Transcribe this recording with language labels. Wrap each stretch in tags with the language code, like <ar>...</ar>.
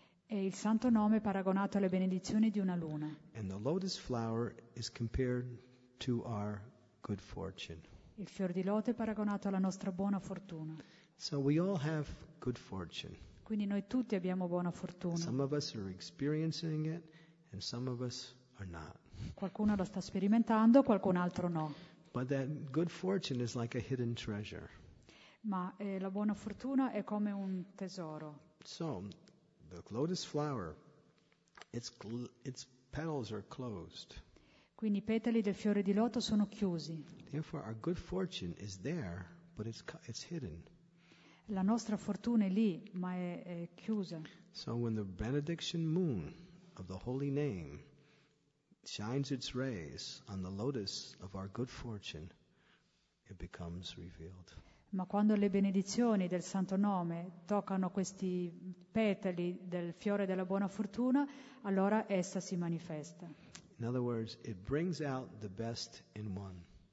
<it>E il santo nome è paragonato alle benedizioni di una luna.</it> <en>And the lotus flower is compared to our good fortune.</en> <it>Il fior di loto è paragonato alla nostra buona fortuna.</it> <en>So we all have good fortune.</en> <it>Quindi noi tutti abbiamo buona fortuna.</it> <en>Some of us are experiencing it and some of us are not.</en> <it>Qualcuno lo sta sperimentando, qualcun altro no.</it> <en>But that good fortune is like a hidden treasure.</en> <it>Ma la buona fortuna è come un tesoro.</it> <en>So the lotus flower, its petals are closed.</en> <it>Quindi i petali del fiore di loto sono chiusi.</it> <en>Therefore our good fortune is there, but it's hidden.</en> <it>La nostra fortuna è lì, ma è chiusa.</it> <en>So when the benediction moon of the holy name shines its rays on the lotus of our good fortune, it becomes revealed.</en> <it>Ma quando le benedizioni del santo nome toccano questi petali del fiore della buona fortuna, allora essa si manifesta.</it> <en>In other words, it brings out the best in one.</en>